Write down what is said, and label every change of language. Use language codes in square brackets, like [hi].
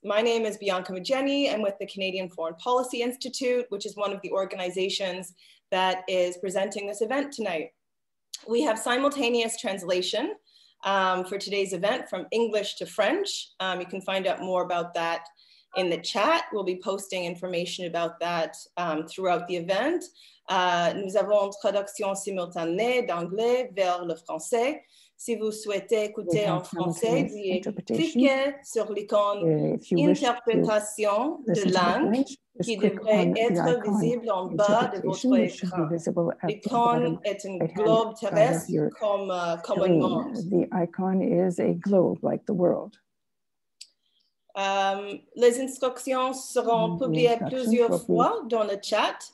[en] My name is Bianca Mageni. I'm with the Canadian Foreign Policy Institute, which is one of the organizations that is presenting this event tonight. We have simultaneous translation for today's event from English to French. You can find out more about that in the chat. We'll be posting information about that throughout the event. [fr] Nous avons traduction simultanée d'anglais vers le français. Si vous souhaitez écouter en français, cliquez sur l'icône interprétation de langue qui devrait être visible en bas de votre écran. L'icône est un globe terrestre comme commonement. [en] The icon is a globe like the world. [fr] Les instructions seront publiées plusieurs fois dans le chat.